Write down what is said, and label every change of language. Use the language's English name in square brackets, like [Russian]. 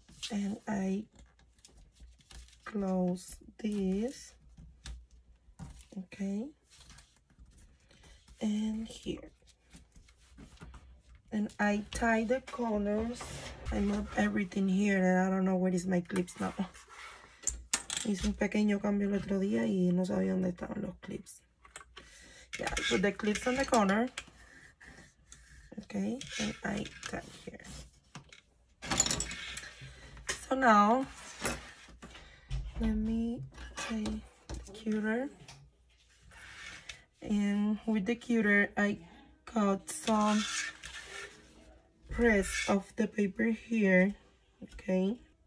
[English] and I close this, okay, and here, and I tie the corners. I move everything here, and I don't know where is my clips now. [Spanish] Hice un pequeño cambio el otro día y no sabía dónde estaban los clips. [English] Yeah, I put the clips on the corner. Okay, and I tie here. So now, let me tie the cutter. And with the cutter, I cut some press off the paper here. Okay.